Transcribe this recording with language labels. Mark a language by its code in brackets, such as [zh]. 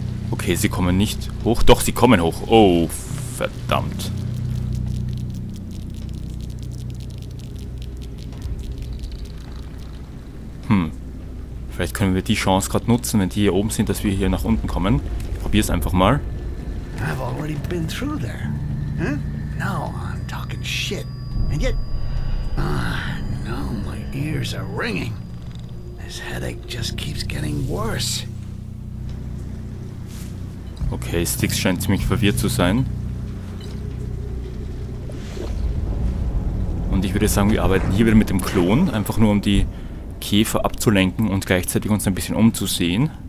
[de] Okay, sie kommen nicht hoch. Doch, sie kommen hoch. Oh, verdammt. Vielleicht können wir die Chance gerade nutzen, wenn die hier oben sind, dass wir hier nach unten kommen. Ich probier's einfach mal. [en] I've already been through there. Now I'm talking shit, and yet, now my ears are ringing. This headache just keeps getting worse. [de] Okay, Styx scheint ziemlich verwirrt zu sein. Und ich würde sagen, wir arbeiten hier wieder mit dem Klon, einfach nur um die Käfer abzulenken und gleichzeitig uns ein bisschen umzusehen.